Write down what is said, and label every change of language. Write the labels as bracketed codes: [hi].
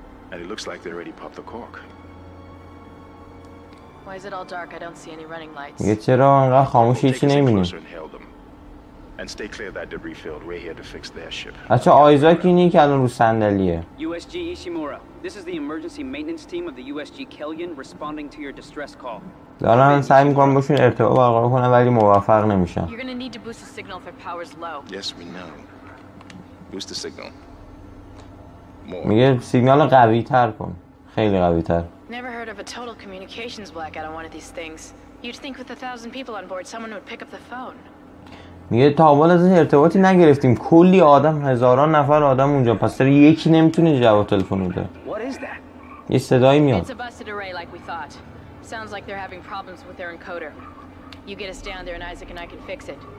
[en] And it looks like they already popped the cork. Why is it all dark? I don't see any running lights. [fa] یه چرا انقدر خاموش هیچی نمی‌بینیم؟ [en] And stay clear of that debris field. We're here to fix their ship. [fa] آخه آیزاک اینی که الان رو صندلیه. [en] USG Ishimura. This is the emergency maintenance team of the USG Kellyan responding to your distress call. [fa] دارن سعی می‌کنن باشون ارتباط برقرار کنن ولی موفق نمی‌شن. [en] You're going to need to boost the signal if the power's low. Yes, we know. Boost the signal. More. [fa] میگه سیگنال قوی‌تر کن. خیلی قوی‌تر. [en] Never heard of a total communications blackout on one of these things. You'd think with 1000 people on board someone would pick up the phone. [fa] میگه تا حالا از ارتباطی نگرفتیم. کلی آدم، هزاران نفر آدم اونجا، پس سر یکی نمیتونه جواب تلفن بده. [en] What is that? [fa] یه صدایی میاد. [en] It's a busted array like we thought. Sounds like they're having problems with their encoder. You get us down there and Isaac and I can fix it.